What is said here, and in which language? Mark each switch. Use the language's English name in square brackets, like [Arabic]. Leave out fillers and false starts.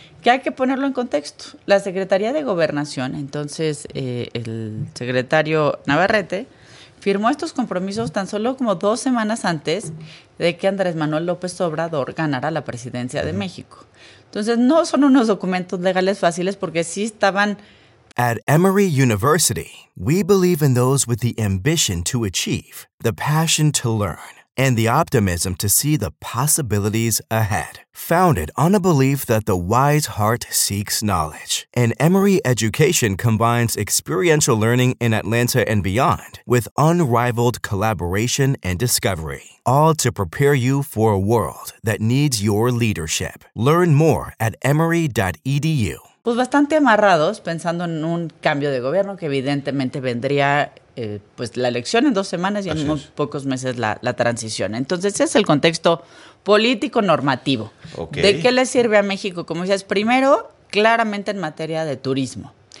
[Spanish] Que hay que ponerlo en contexto. La Secretaría de Gobernación, entonces el secretario Navarrete, firmó estos compromisos tan solo como 2 semanas antes de que Andrés Manuel López Obrador ganara la presidencia de México. Entonces, no son unos documentos legales fáciles porque sí estaban. [English] At Emory University, we believe in those with the ambition to achieve, the passion to learn, and the optimism to see the possibilities ahead. Founded on a belief that the wise heart seeks knowledge, an Emory education combines experiential learning in Atlanta and beyond with unrivaled collaboration and discovery, all to prepare you for a world that needs your leadership. Learn more at emory.edu. [Spanish] Pues bastante amarrados, pensando en un cambio de gobierno que evidentemente vendría pues la elección en 2 semanas y así en muy pocos meses la transición. Entonces, ese es el contexto político normativo. [English] Okay. [Spanish] ¿De qué le sirve a México? Como dices, primero, claramente en materia de turismo.